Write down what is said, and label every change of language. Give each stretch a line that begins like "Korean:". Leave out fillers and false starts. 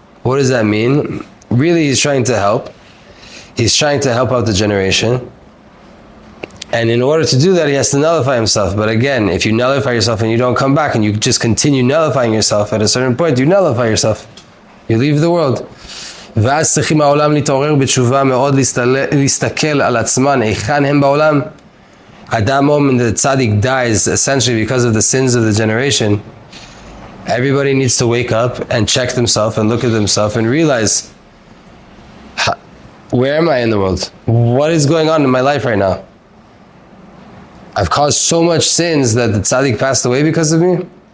English: What does that mean? Really, he's trying to help. He's trying to help out the generation. And in order to do that, he has to nullify himself. But again, if you nullify yourself and you don't come back and you just continue nullifying yourself, at a certain point, you nullify yourself. You leave the world.
Hebrew: ואז צריכים העולם להתעורר בתשובה מאוד להסתכל על עצמן, איכן הם בעולם.
English: Adam and the tzaddik dies essentially because of the sins of the generation. Everybody needs to wake up and check themselves and look at themselves and realize, where am I in the world? What is going on in my life right now? I've caused so much sins that the tzaddik passed away because of me.